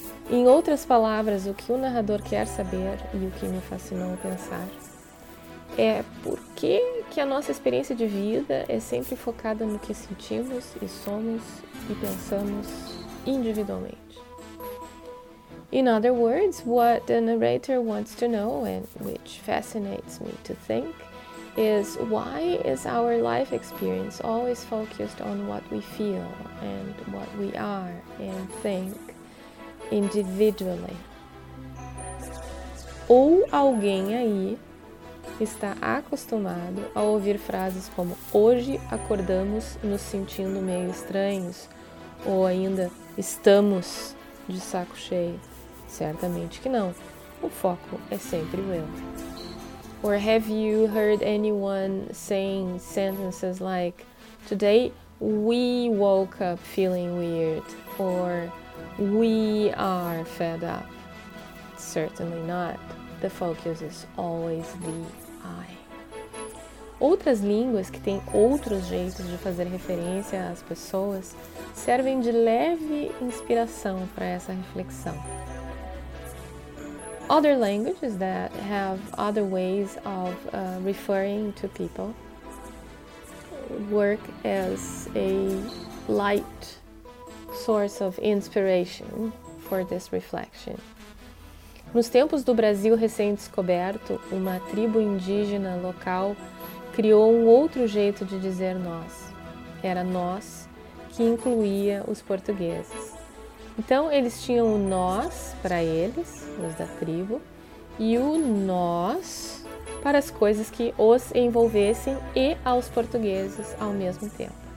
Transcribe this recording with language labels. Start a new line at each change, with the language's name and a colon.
Portuguese: Em outras palavras, o que o narrador quer saber e o que me fascinou pensar é por que que a nossa experiência de vida é sempre focada no que sentimos e somos e pensamos individualmente.
English: In other words, what the narrator wants to know, and which fascinates me to think, is why is our life experience always focused on what we feel and what we are and think individually?
Portuguese: Ou alguém aí está acostumado a ouvir frases como hoje acordamos nos sentindo meio estranhos, ou ainda estamos de saco cheio? Certamente que não. O foco é sempre o eu.
English: Or have you heard anyone saying sentences like today we woke up feeling weird, or we are fed up? Certainly not. The focus is always the I.
Portuguese: Outras línguas que têm outros jeitos de fazer referência às pessoas servem de leve inspiração para essa reflexão.
English: Other languages that have other ways of referring to people work as a light source of inspiration for this reflection.
Portuguese: Nos tempos do Brasil recém-descoberto, uma tribo indígena local criou um outro jeito de dizer nós. Era nós que incluía os portugueses. Então, eles tinham o nós para eles, os da tribo, e o nós para as coisas que os envolvessem e aos portugueses ao mesmo tempo.